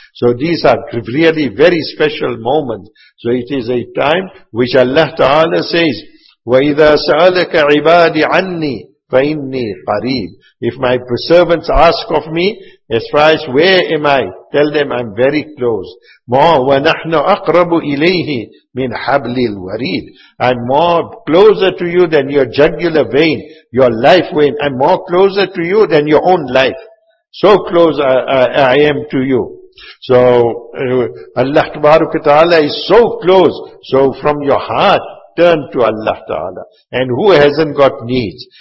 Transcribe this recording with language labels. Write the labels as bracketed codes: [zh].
[en] So these are really very special moments. So it is a time which Allah Ta'ala says, [ar] وَإِذَا سَأَلَكَ عِبَادِ عَنِّي فَإِنِّي قَرِيبٌ. [en] If my servants ask of me, as far as where am I, tell them I'm very close. More, [ar] وَنَحْنُ أَقْرَبُ إِلَيْهِ مِنْ حَبْلِ الْوَرِيدِ. [en] I'm more closer to you than your jugular vein, your life vein. I'm more closer to you than your own life. So close I am to you. So, Allah Tabaraka Ta'ala is so close. So from your heart, turn to Allah Ta'ala. And who hasn't got needs?